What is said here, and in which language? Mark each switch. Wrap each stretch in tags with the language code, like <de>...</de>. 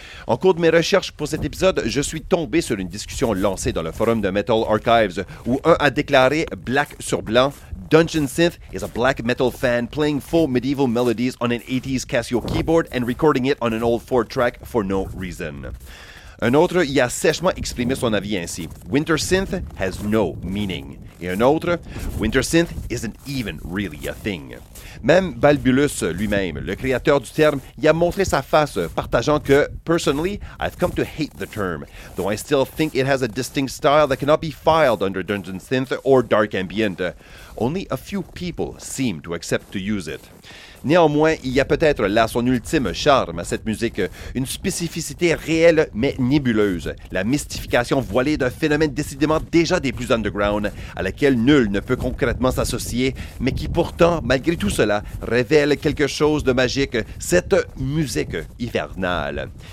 <fr>En cours de mes recherches pour cet épisode, je suis tombé sur une discussion lancée dans le forum de Metal Archives où un a déclaré black sur blanc «</fr> <en>Dungeon Synth is a black metal fan playing faux medieval melodies on an 80s Casio keyboard and recording it on an old 4-track for no reason ».</en> <fr>Un autre y a sèchement exprimé son avis ainsi.</fr> <en>Winter Synth has no meaning.</en> <fr>Et un autre,</fr> <en>Winter Synth isn't even really a thing.</en> <fr>Même Balbulus lui-même, le créateur du terme, y a montré sa face, partageant que,</fr> <en>personally, I've come to hate the term, though I still think it has a distinct style that cannot be filed under Dungeon Synth or Dark Ambient. Only a few people seem to accept to use it.</en> <fr>Néanmoins, il y a peut-être là son ultime charme à cette musique, une spécificité réelle mais nébuleuse, la mystification voilée d'un phénomène décidément déjà des plus underground, à laquelle nul ne peut concrètement s'associer, mais qui pourtant, malgré tout cela, révèle quelque chose de magique, cette musique hivernale.</fr>